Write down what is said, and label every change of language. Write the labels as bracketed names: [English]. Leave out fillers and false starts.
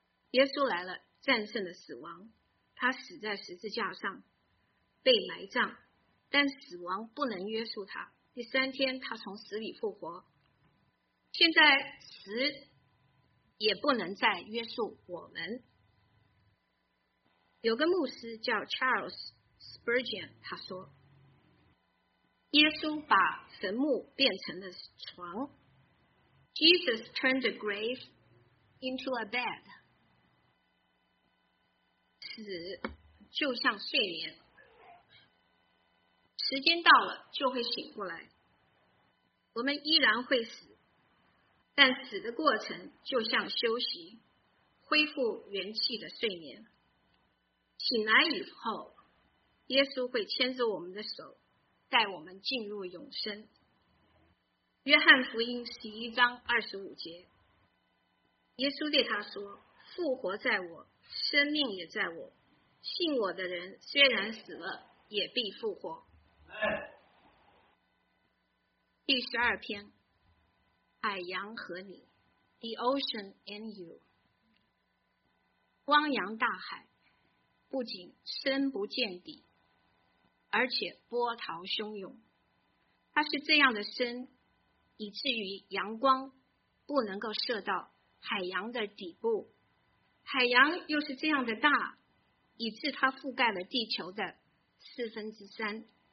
[Chinese] 耶稣来了，战胜了死亡，他死在十字架上，被埋葬，但死亡不能约束他。第3天他从死里复活，现在死也不能再约束我们。有个牧师叫 Charles Spurgeon， 他说耶稣把坟墓变成了床， [English] Jesus turned the grave into a bed。 [Chinese] 死就像睡眠，时间到了就会醒过来，我们依然会死，但死的过程就像休息，恢复元气的睡眠。醒来以后，耶稣会牵着我们的手，带我们进入永生。约翰福音11章25节：耶稣对他说：复活在我，生命也在我，信我的人虽然死了，也必复活。第12篇：海洋和你， [English] The ocean and you。 [Chinese] 汪洋大海不仅深不见底，而且波涛汹涌，它是这样的深，以至于阳光不能够射到海洋的底部，海洋又是这样的大，以致它覆盖了地球的1/4。